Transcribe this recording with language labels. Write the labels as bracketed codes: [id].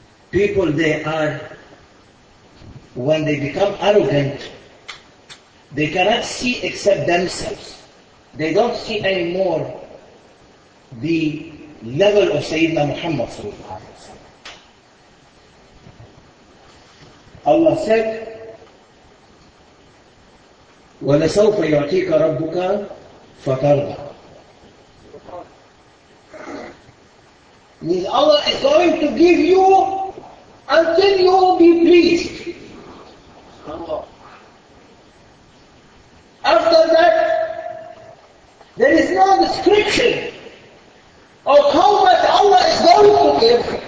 [en] People, they are, when they become arrogant, they cannot see except themselves. They don't see anymore the level of Sayyidina Muhammad sallallahu alayhi wa sallam. Allah said, [ar] وَلَسَوْفَ يُعْتِيكَ رَبُّكَ فَتَرْضَى. [en] Means Allah is going to give you until you will be pleased. After that, there is no description of how much Allah is going to give.